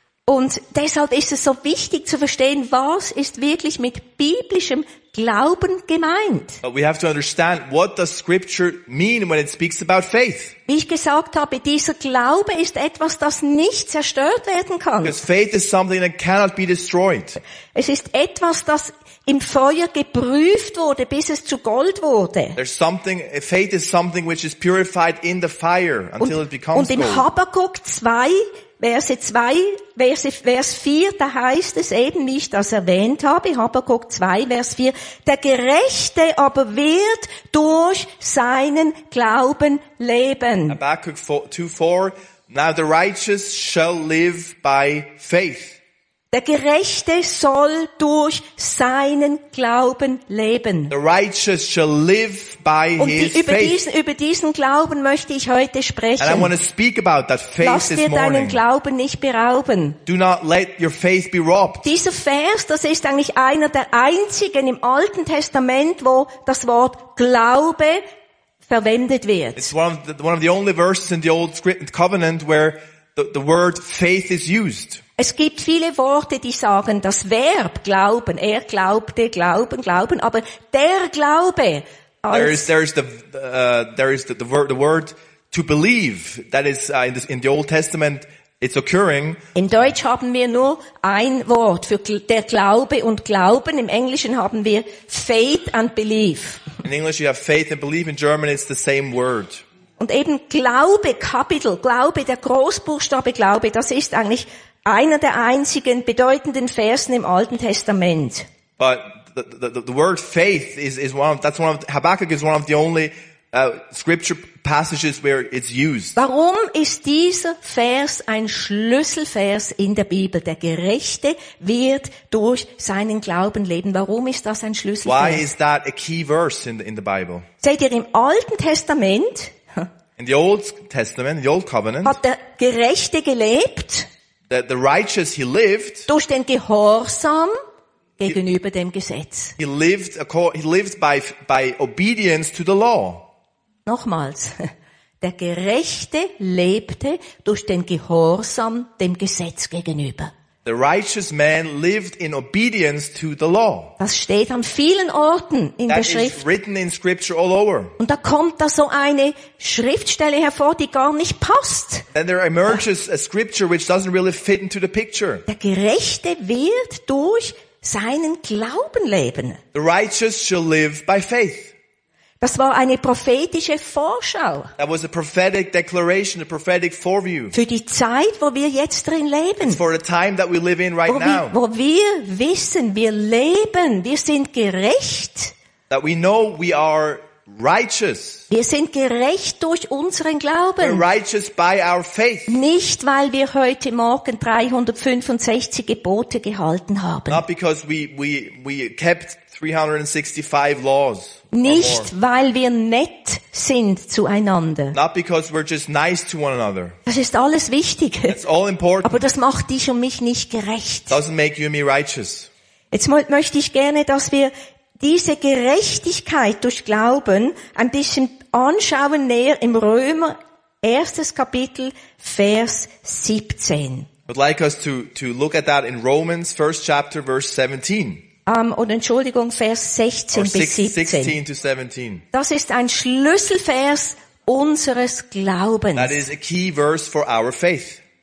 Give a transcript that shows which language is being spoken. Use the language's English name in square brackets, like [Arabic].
[German] Und deshalb ist es so wichtig zu verstehen, was ist wirklich mit biblischem Glauben gemeint. [English] But we have to understand, what does scripture mean when it speaks about faith? [German] Wie ich gesagt habe, dieser Glaube ist etwas, das nicht zerstört werden kann. [English] Because faith is something that cannot be destroyed. [German] Es ist etwas, das im Feuer geprüft wurde, bis es zu Gold wurde. [English] There's something, faith is something which is purified in the fire until it becomes gold. [German] Und im Habakuk 2, Verse 2, Vers 4, da heißt es eben, wie ich das erwähnt habe, Habakuk 2, Vers 4, der Gerechte aber wird durch seinen Glauben leben. [English] Habakuk 2:4, now the righteous shall live by faith. [German] Der Gerechte soll durch seinen Glauben leben. [English] The righteous shall live by his faith. [German] Über diesen Glauben möchte ich heute sprechen. [English] And I want to speak about that faith this morning. [German] Lass dir deinen Glauben nicht berauben. [English] Do not let your faith be robbed. [German] Dieser Vers, das ist eigentlich einer der einzigen im Alten Testament, wo das Wort Glaube verwendet wird. [English] It's one of the only verses in the Old Covenant where the word faith is used. [German] Es gibt viele Worte, die sagen, das Verb glauben, er glaubte, glauben, glauben, aber der Glaube. [English] There is the word to believe that is in the Old Testament. It's occurring. [German] In Deutsch haben wir nur ein Wort für der Glaube und Glauben. Im Englischen haben wir [English] faith and belief. In English you have faith and belief. In German it's the same word. [German] Und eben Glaube, Kapitel, Glaube, der Großbuchstabe Glaube, das ist eigentlich einer der einzigen bedeutenden Versen im Alten Testament. [English] But the word faith Habakkuk is one of the only scripture passages where it's used. [German] Warum ist dieser Vers ein Schlüsselvers in der Bibel? Der Gerechte wird durch seinen Glauben leben. Warum ist das ein Schlüsselvers? [English] Why is that a key verse in the Bible? [German] Seht ihr, im Alten Testament, [English] in the Old Covenant, [German] hat der Gerechte gelebt. [English] The righteous, he lived. [German] Durch den Gehorsam gegenüber dem Gesetz. [English] He lived by obedience to the law. [German] Nochmals, der Gerechte lebte durch den Gehorsam dem Gesetz gegenüber. [English] The righteous man lived in obedience to the law. [German] Das steht an vielen Orten in [English] that [German] der Schrift. [English] That is written in scripture all over. [German] Und da kommt da so eine Schriftstelle hervor, die gar nicht passt. [English] Then there emerges a scripture which doesn't really fit into the picture. [German] Der Gerechte wird durch seinen Glauben leben. [English] The righteous shall live by faith. [German] Das war eine prophetische Vorschau. [English] That was a prophetic declaration, a prophetic foreview. [German] Für die Zeit, wo wir jetzt drin leben. [English] It's for the time that we live in right now. [German] Wo wir wissen, wir leben, wir sind gerecht. [English] That we know we are righteous. [German] Wir sind gerecht durch unseren Glauben. [English] We're righteous by our faith. [German] Nicht, weil wir heute Morgen 365 Gebote gehalten haben. [English] Not because we kept 365 laws. [German] Nicht, weil wir nett sind zueinander. [English] Not because we're just nice to one another. [German] Das ist alles wichtig. [English] It's all important. [German] Aber das macht dich und mich nicht gerecht. [English] Doesn't make you and me righteous. [German] Jetzt möchte ich gerne, dass wir diese Gerechtigkeit durch Glauben ein bisschen anschauen näher im Römer 1. Kapitel Vers 17. [English] I would like us to look at that in Romans 1st chapter verse 17. [German] Vers 16 bis 17. Das ist ein Schlüsselvers unseres Glaubens. [English] That is a key verse for our faith.